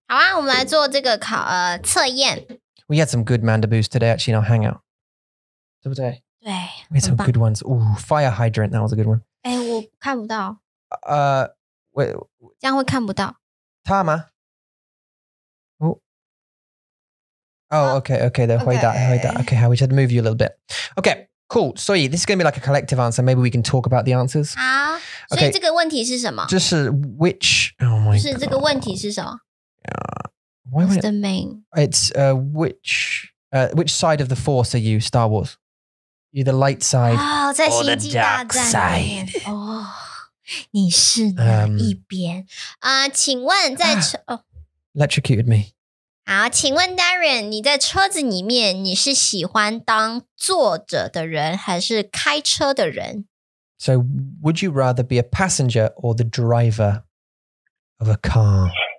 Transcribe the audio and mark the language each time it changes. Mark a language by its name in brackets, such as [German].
[Chinese] 好啊,我们来做这个测验。 [English] We had some good Mandarins today, actually, in our hangout. [Chinese] 对不对? 对, [English] we had some good ones. Ooh, fire hydrant, that was a good one. [Chinese] 诶,我看不到。这样会看不到他吗？ [English] Oh, okay, okay, [Chinese] the hui da, hui da. [English] Okay, we just had to move you a little bit. Okay, cool. So this is going to be like a collective answer. Maybe we can talk about the answers. Ah, okay. So this question is what? Just which? Oh my god. This question is what? Yeah. What's the main? It's which side of the force are you, Star Wars? You're the light side. Oh, or the dark side. Oh, [Chinese] 你是哪一边?请问在... [English] electrocuted me. [Chinese] 好, 请问 Darian, 你在车子里面, 你是喜欢当坐着的人, 还是开车的人? [English] So, would you rather be a passenger or the driver of a car?